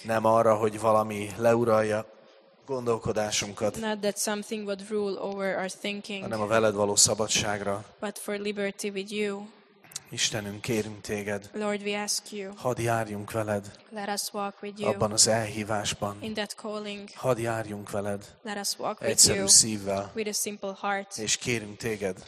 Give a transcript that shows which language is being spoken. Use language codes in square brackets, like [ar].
[hu] Nem arra, hogy valami leuralja gondolkodásunkat. [en] Not that something would rule over our thinking. [hu] Hanem a veled való szabadságra. [en] But for liberty with you. [hu] Istenünk, kérünk téged. [en] Lord, we ask you. [hu] Hadd járjunk veled. [en] Let us walk with you. [hu] Abban az elhívásban. [en] In that calling. [hu] Hadd járjunk veled. [en] Let us walk [hu] egyszerű [en] with you. [hu] Szívvel. [en] With a simple heart. [hu] És kérünk téged.